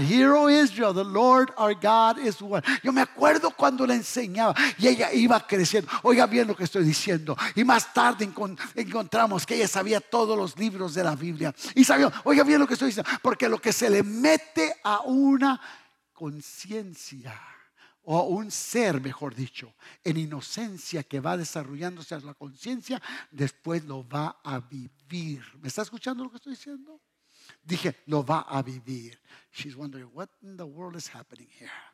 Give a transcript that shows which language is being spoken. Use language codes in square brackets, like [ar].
[en] Hear, O Israel, the Lord our God is one. [es] Yo me acuerdo cuando le enseñaba y ella iba creciendo. Oiga bien lo que estoy diciendo. Y más tarde encontramos que ella sabía todos los libros de la Biblia. Y sabía, oiga bien lo que estoy diciendo. Porque lo que se le mete a una conciencia, o a un ser, mejor dicho, en inocencia que va desarrollándose a la conciencia, después lo va a vivir. ¿Me está escuchando lo que estoy diciendo? Dije, lo va a vivir. [en] She's wondering, what in the world is happening here?